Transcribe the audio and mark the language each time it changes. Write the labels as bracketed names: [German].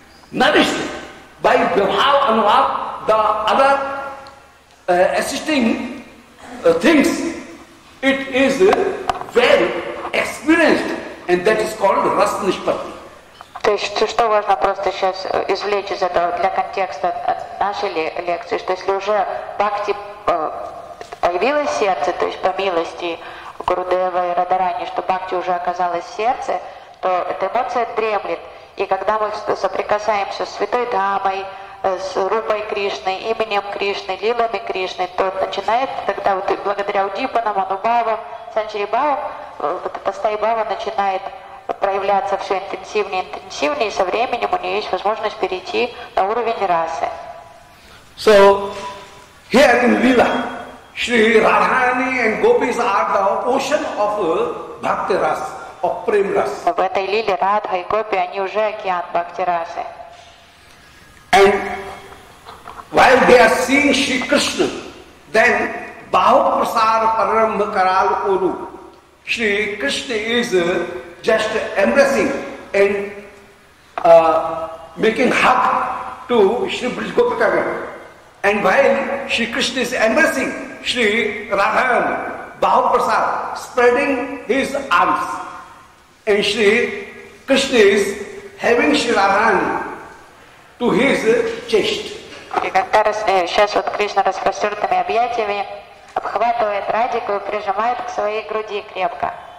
[English] nourished by Vibhav Anubhav, the other assisting things, it is well experienced, and that is called Rasa Nishpatti. [Russian] То есть, что важно просто сейчас извлечь из этого для контекста нашей лекции, что если уже бхакти появилось в сердце, то есть по милости Гурудева и Радарани, что бхакти уже оказалось в сердце, то эта эмоция дремлет. И когда мы соприкасаемся с Святой Дхамой, с Рупой Кришной, именем Кришны, лилами Кришны, то начинает тогда, вот, благодаря Удипанам, Анубавам, Санчарибавам, вот эта стайбава начинает проявляться все интенсивнее и интенсивнее, и со временем у нее есть возможность перейти на уровень расы. [English] So, here in Lila, Shri Radharani and Gopis are the ocean of Bhakti Rasa, of Prem Rasa. [Russian] В этой Лиле Радха и Гопи, они уже океан Бхакти Расы. [English] And while they are seeing Shri Krishna, then Bahu Prasara Parambha Karal Uru, Shri Krishna is just embracing and making hug to Shri Brijgopikarna. And while Shri Krishna is embracing Shri Radharani, Bahu Prasara, spreading his arms, and Shri Krishna is having Shri Radharani to his chest. [Russian] Сейчас вот Кришна распростертыми объятиями обхватывает Радику и прижимает к своей груди крепко.